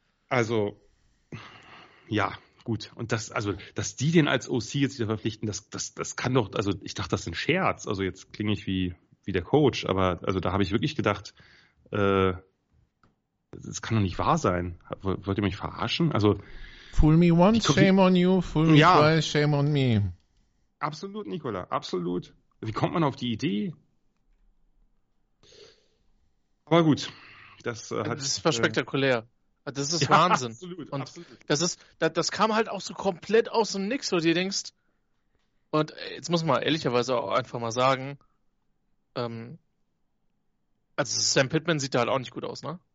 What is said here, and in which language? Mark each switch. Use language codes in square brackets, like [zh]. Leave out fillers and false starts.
[de] Also, ja, gut. Und dass die den als OC jetzt wieder verpflichten, das kann doch, also ich dachte, das ist ein Scherz. Also jetzt klinge ich wie der Coach, aber also da habe ich wirklich gedacht, das kann doch nicht wahr sein. Wollt ihr mich verarschen? Also, [en] fool me once, shame on you. Fool me twice, shame on me. [de] Absolut, Nicola, absolut. Wie kommt man auf die Idee? Aber gut, das war spektakulär. Das ist Wahnsinn. Absolut, und absolut. Das kam halt auch so komplett aus dem Nix, wo du dir denkst, und jetzt muss man ehrlicherweise auch einfach mal sagen, also Sam Pittman sieht da halt auch nicht gut aus, ne?